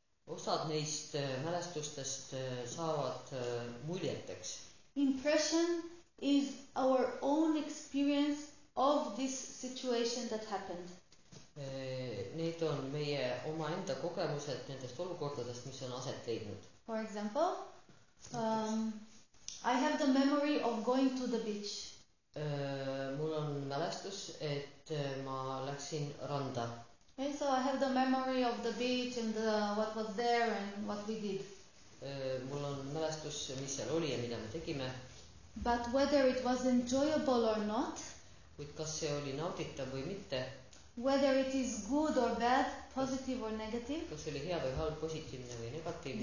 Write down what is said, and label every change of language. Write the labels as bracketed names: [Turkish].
[Estonian] Osad neist mälestustest saavad muljeteks. [English] Impression is our own experience of this situation that happened. [Estonian] Need on meie oma enda kogemused nendest olukordadest, mis on aset leidnud. [English] For example, I have the memory of going to the beach. [Estonian] Mul on mälestus, et ma läksin randa. [English] Okay, so I have the memory of the beach and the, what was there and what we did. [Estonian] Mul on mälestus, mis seal oli ja mida me tegime. [English] But whether it was enjoyable or not. [Estonian] Kuid kas see oli nautitav või mitte. [English] Whether it is good or bad, positive or negative. [Estonian] Kas oli hea või halb, positiivne või negatiivne.